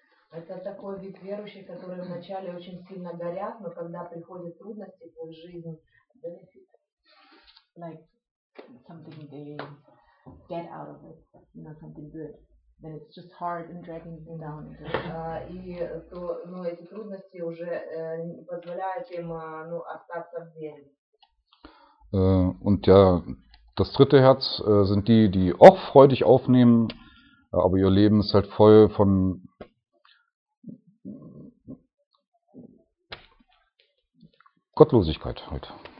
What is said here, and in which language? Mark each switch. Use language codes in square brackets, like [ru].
[ru] Это такой вид верующих, которые вначале очень сильно горят, но когда приходят трудности в их жизнь, benefit. [en] Like something they get out of it, you know, something good. Then it's just hard and dragging them down. [ru] Эти трудности уже не позволяют им остаться в вере. [de] Und ja, das dritte Herz sind die, die auch freudig aufnehmen, aber ihr Leben ist halt voll von Gottlosigkeit halt.